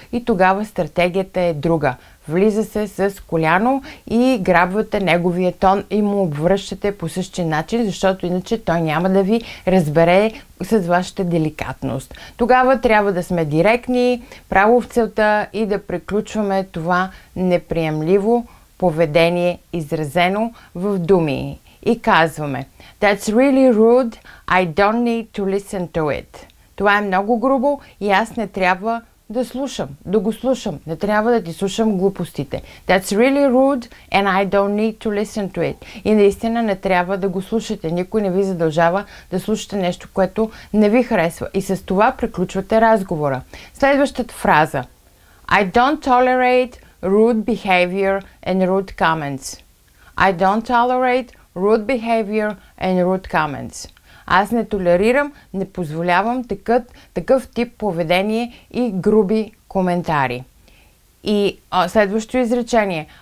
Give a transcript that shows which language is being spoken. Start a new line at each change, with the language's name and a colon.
Bulgarian: И тогава стратегията е друга. Влиза се с коляно и грабвате неговия тон и му обвръщате по същия начин, защото иначе той няма да ви разбере с вашата деликатност. Тогава трябва да сме директни, право в целта и да приключваме това неприемливо поведение, изразено в думи. И казваме,
English: That's really rude, I don't need to listen to it.
Bulgarian: Това е много грубо и аз не трябва да слушам, да го слушам. Не трябва да ти слушам глупостите.
English: That's really rude and I don't need to listen to it.
Bulgarian: И наистина не трябва да го слушате. Никой не ви задължава да слушате нещо, което не ви харесва. И с това приключвате разговора. Следващата фраза.
English: I don't tolerate rude behavior and rude comments. I don't tolerate rude behavior and rude comments.
Bulgarian: Аз не толерирам, не позволявам такъв тип поведение и груби коментари. И следващото изречение.